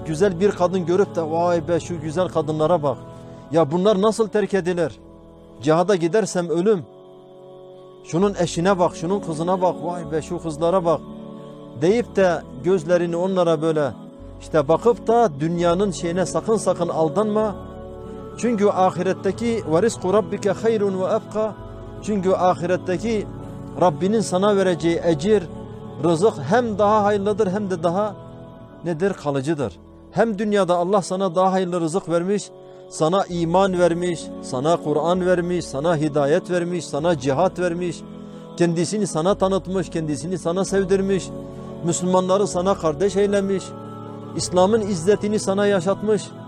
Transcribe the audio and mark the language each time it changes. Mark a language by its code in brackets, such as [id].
[tr] Güzel bir kadın görüp de vay be şu güzel kadınlara bak. Ya bunlar nasıl terk edilir? Cihada gidersem ölüm. Şunun eşine bak, şunun kızına bak, vay be şu kızlara bak deyip de gözlerini onlara böyle işte bakıp da dünyanın şeyine sakın sakın aldanma. Çünkü ahiretteki [ar] وَرِزْقُ رَبِّكَ خَيْرٌ وَأَبْقَى. [tr] Çünkü ahiretteki Rabbinin sana vereceği ecir, rızık hem daha hayırlıdır hem de daha nedir? Kalıcıdır. Hem dünyada Allah sana daha hayırlı rızık vermiş, sana iman vermiş, sana Kur'an vermiş, sana hidayet vermiş, sana cihat vermiş, kendisini sana tanıtmış, kendisini sana sevdirmiş, Müslümanları sana kardeş eylemiş, İslam'ın izzetini sana yaşatmış.